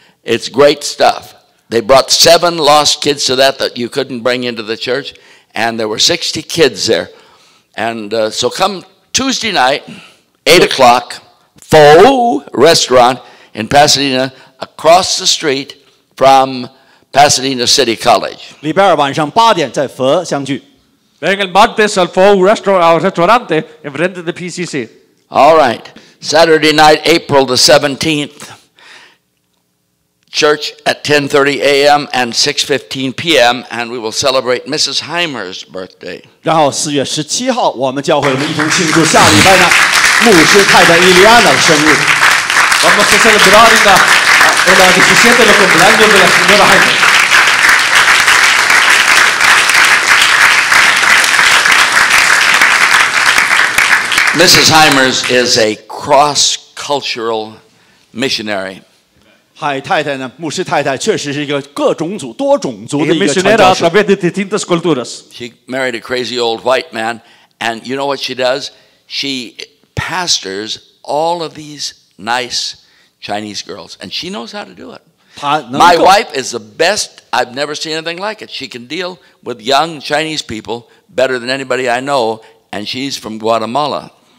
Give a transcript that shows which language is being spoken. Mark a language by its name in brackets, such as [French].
[English] It's great stuff. They brought 7 lost kids to that you couldn't bring into the church, and there were 60 kids there. And so come Tuesday night, 8 o'clock, Faux Restaurant in Pasadena, across the street from Pasadena City College. [Chinese] 礼拜二晚上8点, 在佛相聚。 [Spanish] Venga el martes al Faux Restaurant, en frente de PCC. [English] All right. Saturday night, April the 17th. Church at 10:30 a.m. and 6:15 p.m. and we will celebrate Mrs. Hymers' birthday. [Chinese] 然后4月17号，我们教会我们一同庆祝下礼拜呢，牧师太太伊利亚的生日。 [Spanish] Vamos a celebrar el 17 de cumpleaños de la señora Hymers. [English] Mrs. Hymers is a cross-cultural missionary. [Chinese] 海太太呢，牧师太太确实是一个各种族、多种族的一个传教士。 [English] She married a crazy old white man, and you know what she does? She pastors all of these nice Chinese girls, and she knows how to do it. My wife is the best. I've never seen anything like it. She can deal with young Chinese people better than anybody I know, and she's from Guatemala.